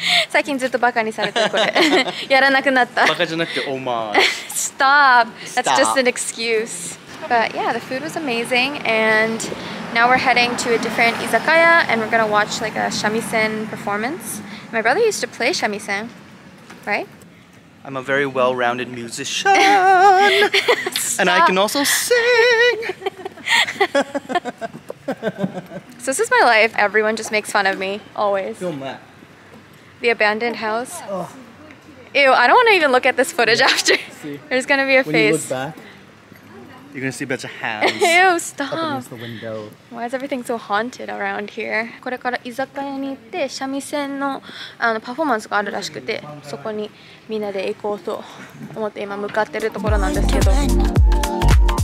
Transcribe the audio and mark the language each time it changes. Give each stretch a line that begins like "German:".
Japanese: 最近ずっとバカにされてこれ。やらなくなった。バカじゃなくて、オーマー。
English: Stop! That's just an excuse. But yeah, the food was amazing. And now we're heading to a different izakaya and we're gonna watch like a shamisen performance. My brother used to play shamisen, right? I'm a very well-rounded musician, and I can also sing. So this is my life. Everyone just makes fun of me, always. Film that. The abandoned house. Oh. Ew, I don't want to even look at this footage after. There's going to be a When face. When you look back, you're going to see a bunch of hands. Ew, stop. Up against the window. Why is everything so haunted around here?
Japanese: これから居酒屋に行って、三味線の、パフォーマンスがあるらしくて、そこに。みんなで行こうと思って今向かってるところなんですけど。